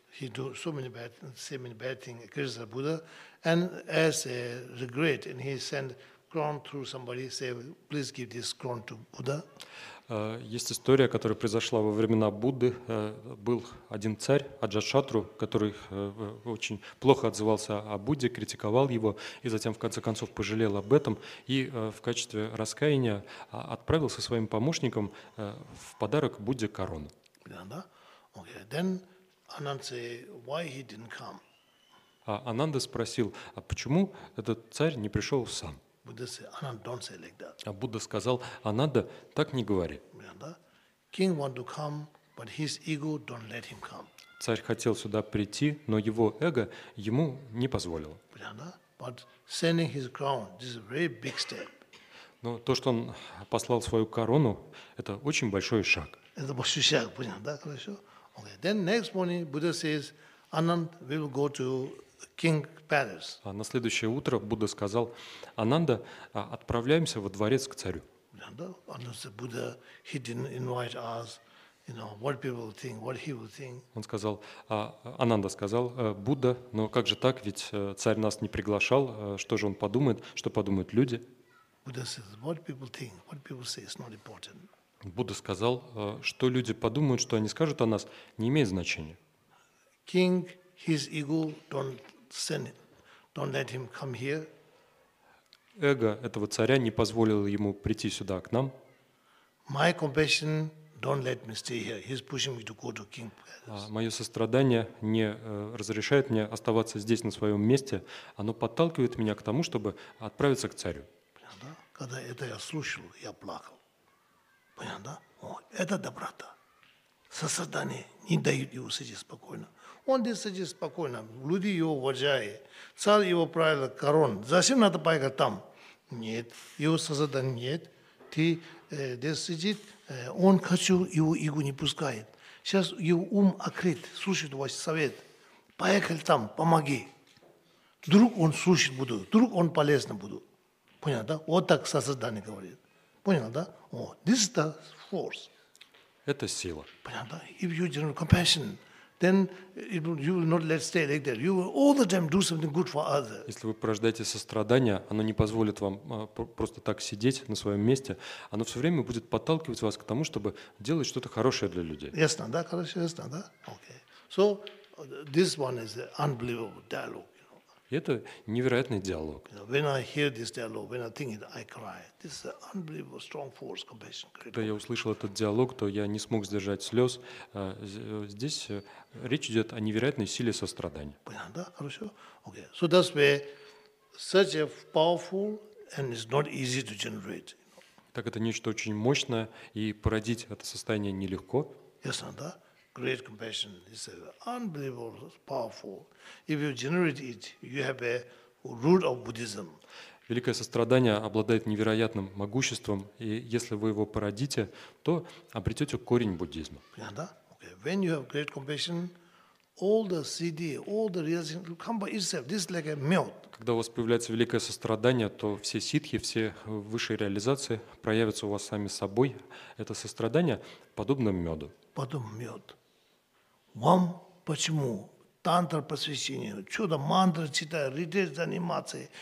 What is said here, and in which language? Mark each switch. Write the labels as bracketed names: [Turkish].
[English] He do so many bad, same many bad things against the Buddha, and as a regret, and he send crown through somebody, say, please give this crown to Buddha. [Russian] Есть история, которая произошла во времена Будды. Был один царь, Аджатшатру, который очень плохо отзывался о Будде, критиковал его и затем в конце концов пожалел об этом и в качестве раскаяния отправил со своим помощником в подарок Будде корону. [English] Да, okay, then. Ananda say, why he didn't come? [Russian] Ананда спросил, а почему этот царь не пришел сам? [English] Buddha say, Ananda, don't say like that. [Russian] А Будда сказал, Ананда, так не говори. [English] King want to come, but his ego don't let him come. [Russian] Царь хотел сюда прийти, но его эго ему не позволило. [English] But sending his crown, this is a very big step. [Russian] Но то, что он послал свою корону, это очень большой шаг. Это большой шаг, понятно, да, хорошо? [English] Okay. Then next morning, Buddha says, "Ananda, we will go to King Palace." [Russian] На следующее утро Будда сказал, "Ананда, отправляемся во дворец к царю." [English] Ananda said, "Buddha, he didn't invite us. What people think, what he will think." [Russian] Он сказал, Ананда сказал, Будда, но как же так? Ведь царь нас не приглашал. Что же он подумает? Что подумают люди? [English] Buddha says, "What people think, what people say, it's not important." [Russian] Будда сказал, что люди подумают, что они скажут о нас, не имеет значения. [English] King, his ego don't let him come here. [Russian] Эго этого царя не позволило ему прийти сюда к нам. [English] My compassion don't let me stay here. He's pushing me to go to King Palace. [Russian] Мое сострадание не разрешает мне оставаться здесь на своем месте. Оно подталкивает меня к тому, чтобы отправиться к царю. Понятно? Когда это я слушал, я плакал. Понятно? О, это доброта. Сострадание не дает его сидеть спокойно. Он здесь сидит спокойно, люди его уважают, царь его правил, корон. Зачем надо поехать там? Нет, его сознание нет. Ты здесь сидит, он хочу, его игу не пускает. Сейчас его ум открыт, слушает ваш совет. Поехали там, помоги. Вдруг он слушать буду, вдруг он полезно буду. Понял, да? Вот так сознание говорит. Понял, да? О, [English] this is the force. [Russian] Это сила. Понял, да? [English] If you generate compassion, then you will not let stay like that. You will all the time do something good for others. [Russian] Если вы порождаете сострадание, оно не позволит вам просто так сидеть на своем месте. Оно все время будет подталкивать вас к тому, чтобы делать что-то хорошее для людей. Ясно, да? Хорошо, ясно, да? [English] Okay. So this one is an unbelievable dialogue. You know. [Russian] Это невероятный диалог. [English] You know, when I hear this dialogue, when I think it, I cry. This is an unbelievable strong force, compassion. [Russian] Когда я услышал этот диалог, то я не смог сдержать слез. Здесь речь идет о невероятной силе сострадания. Понятно, да? Хорошо? Okay. [English] So that's why such a powerful and it's not easy to generate. [Russian] Так это нечто очень мощное, и породить это состояние нелегко. Ясно, да? [English] Great compassion is unbelievable, powerful. If you generate it, you have a root of Buddhism. [Russian] Великое сострадание обладает невероятным могуществом, и если вы его породите, то обретете корень буддизма. Да? Okay. [English] When you have great compassion, all the city, all the realization will come by itself. This is like a melt. [Russian] Когда у вас появляется великое сострадание, то все ситхи, все высшие реализации проявятся у вас сами собой. Это сострадание подобно меду. Подобно меду. Вам почему? Тантра посвящение, чудо, мантра читаю, ретрит заниматься.